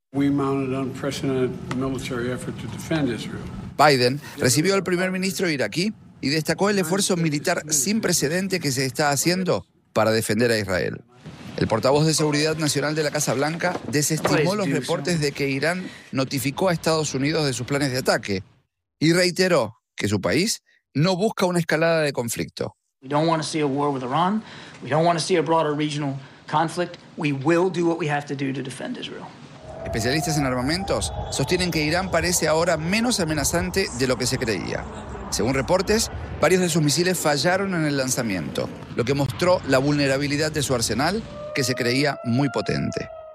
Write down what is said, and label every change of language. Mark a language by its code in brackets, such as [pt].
[es] Biden recibió al primer ministro iraquí y destacó el esfuerzo militar sin precedente que se está haciendo para defender a Israel. El portavoz de Seguridad Nacional de la Casa Blanca desestimó los reportes de que Irán notificó a Estados Unidos de sus planes de ataque y reiteró que su país no busca una escalada de conflicto. [en] We don't want to see a war with Iran. We don't want to see a broader regional conflict. We will do what we have to do to defend Israel. [es] Especialistas en armamentos sostienen que Irán parece ahora menos amenazante de lo que se creía. Según reportes, varios de sus misiles fallaron en el lanzamiento, lo que mostró la vulnerabilidad de su arsenal, que se creía muy potente.